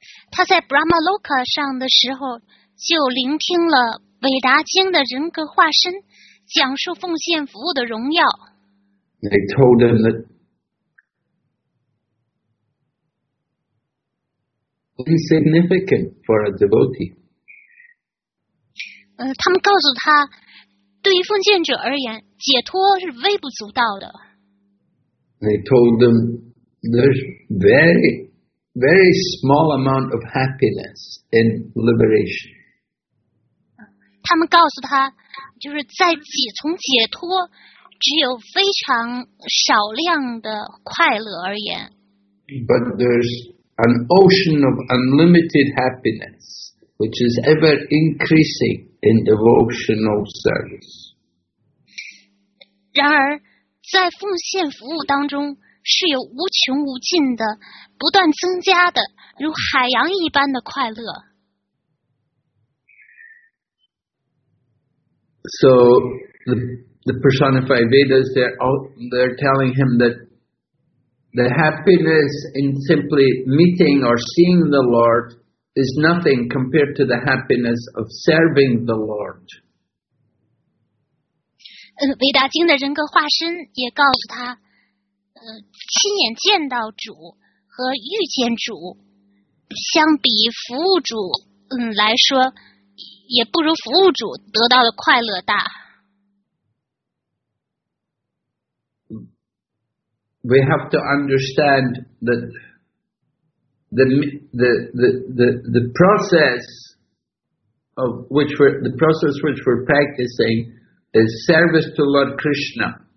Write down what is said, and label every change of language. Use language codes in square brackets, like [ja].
[zh] 他在 Brahmaloka 上的时候就聆听了韦达经的人格化身讲述奉献服务的荣耀。 [en] They told him that insignificant for a devotee. [zh] 他们告诉他，对于奉献者而言，解脱是微不足道的。 [en] They told them there's very, very small amount of happiness in liberation. [zh] 他们告诉他，就是在解脱，只有非常少量的快乐而言。 [en] But there's an ocean of unlimited happiness, which is ever increasing in devotional service. [zh] 然而，在奉献服务当中，是有无穷无尽的、不断增加的、如海洋一般的快乐。 [en] So the personified Vedas, they're telling him that. The happiness in simply meeting or seeing the Lord is nothing compared to the happiness of serving the Lord. [zh] 维达经的人格化身也告诉他，亲眼见到主和遇见主，相比服务主，来说，也不如服务主得到的快乐大。 [en] We have to understand that the process of which we're, the process which we're practicing is service to Lord Krishna.